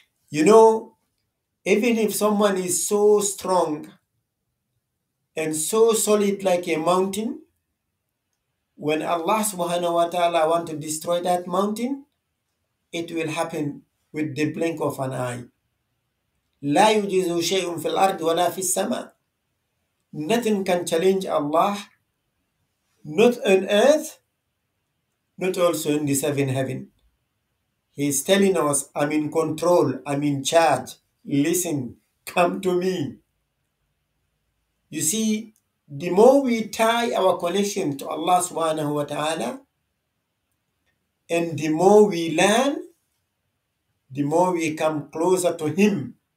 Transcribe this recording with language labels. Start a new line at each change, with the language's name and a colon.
English: You know, even if someone is so strong and so solid like a mountain, when Allah subhanahu wa ta'ala want to destroy that mountain, it will happen with the blink of an eye.
Arabic: لا يجيز شيء في الأرض ولا في السماء.
English: Nothing can challenge Allah, not on earth, not also in the seven heaven. He's telling us, I'm in control, I'm in charge. Listen, come to me. You see, the more we tie our connection to Allah subhanahu wa ta'ala, and the more we learn, the more we come closer to Him.